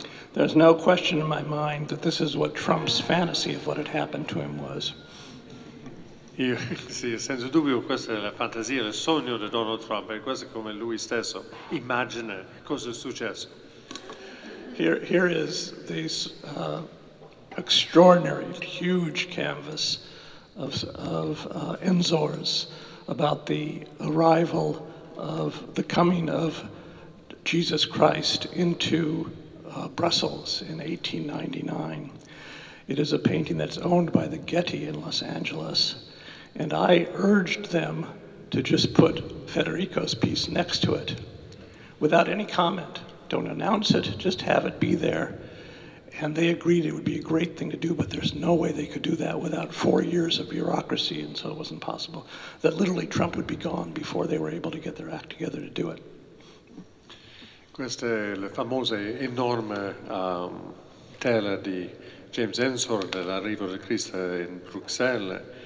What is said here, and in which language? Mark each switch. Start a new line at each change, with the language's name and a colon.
English: There's no question in my mind that this is what Trump's fantasy of what had happened to him was.
Italian: Sì, senza dubbio questa è la fantasia, il sogno di Donald Trump, e questo è come lui stesso immagina cosa è successo.
English: Here is this extraordinary, huge canvas of Ensor's about the arrival of the coming of Jesus Christ into Brussels in 1899. It is a painting that's owned by the Getty in Los Angeles. And I urged them to just put Federico's piece next to it without any comment. Don't announce it, just have it be there. And they agreed it would be a great thing to do, but there's no way they could do that without 4 years of bureaucracy, and so it wasn't possible. That literally Trump would be gone before they were able to get their act together to do it.
Italian: Questa è la famosa enorme tela di James Ensor dell'arrivo del Cristo in Bruxelles.